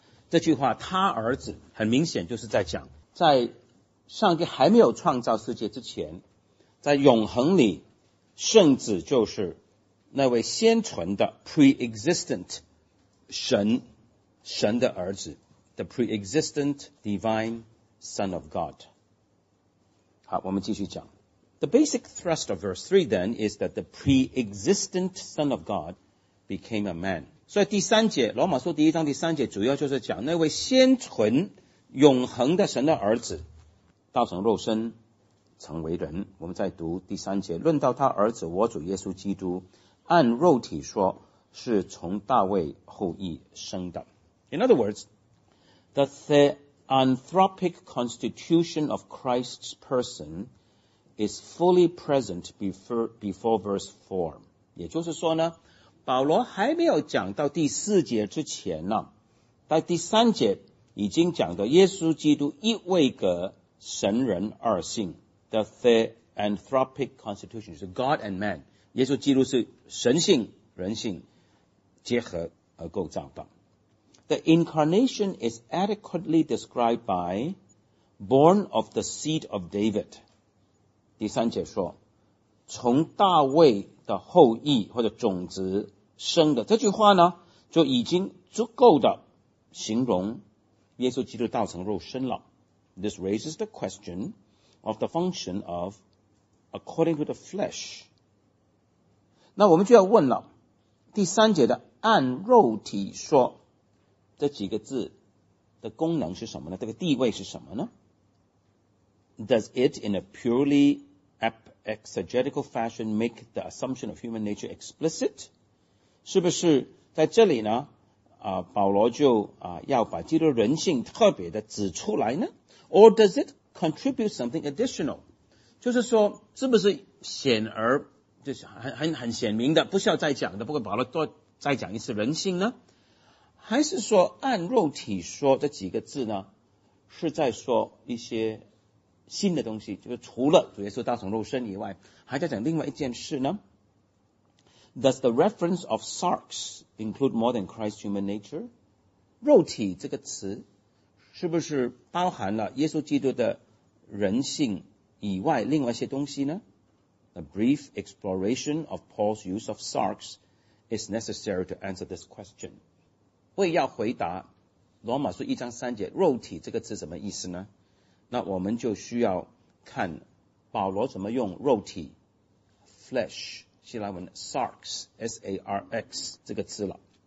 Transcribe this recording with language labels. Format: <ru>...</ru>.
<zh>这句话他儿子，很明显就是在讲，在上帝还没有创造世界之前，在永恒里，圣子就是那位先存的 pre-existent 神的儿子</zh> <en>the pre-existent divine son of God。</en> <zh>好，我们继续讲。</zh> <en>The basic thrust of verse 3 then is that the pre-existent son of God became a man。</en> <zh>所以第三节，罗马书第一章第三节主要就是讲那位先存永恒的神的儿子道成肉身成为人。我们再读第三节，论到他儿子我主耶稣基督，按肉体说是从大卫后裔生的。</zh> <en>In other words, the theanthropic constitution of Christ's person is fully present before verse 4。</en> <zh>也就是说呢，保罗还没有讲到第四节之前呢，在第三节已经讲到耶稣基督一位格神人二性。</zh> <en>The theanthropic constitution</en> <zh>就是</zh> <en>God and man，</en> <zh>耶稣基督是神性人性结合而构造的。</zh> <en>The incarnation is adequately described by born of the seed of David。</en> <zh>第三节说从大卫的后裔或者种子生的，这句话呢就已经足够的形容耶稣基督道成肉身了。</zh> <en>This raises the question of the function of according to the flesh。</en> <zh>那我们就要问了，第三节的按肉体说这几个字的功能是什么呢？这个地位是什么呢？</zh> <en>Does it in a purely exegetical fashion make the assumption of human nature explicit？</en> <zh>是不是在这里呢保罗就要把基督人性特别的指出来呢？</zh> <en>Or does itcontribute something additional，</en> <zh>就是说是不是显而就是很显明的，不需要再讲的，不过保罗多再讲一次人性呢？还是说按肉体说这几个字呢是在说一些新的东西，就是除了主耶稣道成肉身以外还在讲另外一件事呢？</zh> <en>Does the reference of sarx include more than Christ's human nature？</en> <zh>肉体这个词是不是包含了耶稣基督的人性以外另外一些东西呢？</zh> <en>A brief exploration of Paul's use of sarx is necessary to answer this question。</en> <zh>为要回答罗马书一章三节肉体这个词什么意思呢，那我们就需要看保罗怎么用肉体 flesh 希腊文 sarx S-A-R-X 这个词了。</zh>